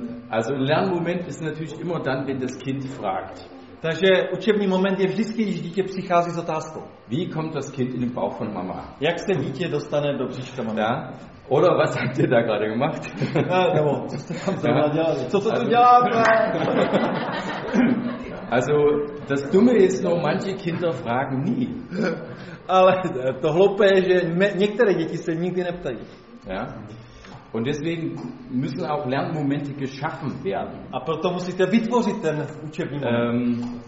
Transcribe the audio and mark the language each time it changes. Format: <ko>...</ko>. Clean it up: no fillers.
<de>Also ein Lernmoment ist natürlich immer dann, wenn das Kind fragt.</de> <cs>Takže učební moment je vždycky, když dítě přichází s otázkou.</cs> <de>Wie kommt das Kind in den Bauch von Mama?</de> <cs>Jak se dítě dostane do břiška mamy?</cs> <de>Ja. Oder was habt ihr da gerade gemacht?</de> <cs>Nebo, co jste tam dělali? Co to tu děláme?</cs> <de>Also, das Dumme ist nur, manche Kinder fragen nie.</de> <cs>Ale to hloupé je, že některé děti se nikdy neptají.</cs> <de>Ja. Und deswegen müssen auch Lernmomente geschaffen werden.</de> <cs>A proto musíte vytvořit ten učební moment.</cs>